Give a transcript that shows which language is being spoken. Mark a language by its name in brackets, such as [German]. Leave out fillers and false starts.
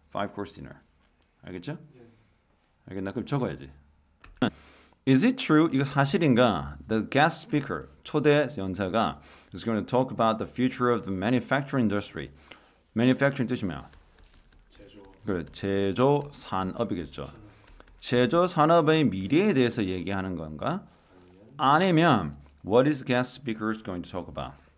[English] Five course dinner. [Korean] 알겠죠? 예. 알겠나? 그럼 적어야지. [English] Is it true? [Korean] 이거 사실인가? [English] The guest speaker, [Korean] 초대 연사가 [English] is going to talk about the future of the manufacturing industry. Manufacturing [Korean] 뜻이 뭐야? 제조업. 그래, 제조 산업이겠죠. 제조 산업의 미래에 대해서 얘기하는 건가? 아니면 [English] what is guest speaker going to talk about?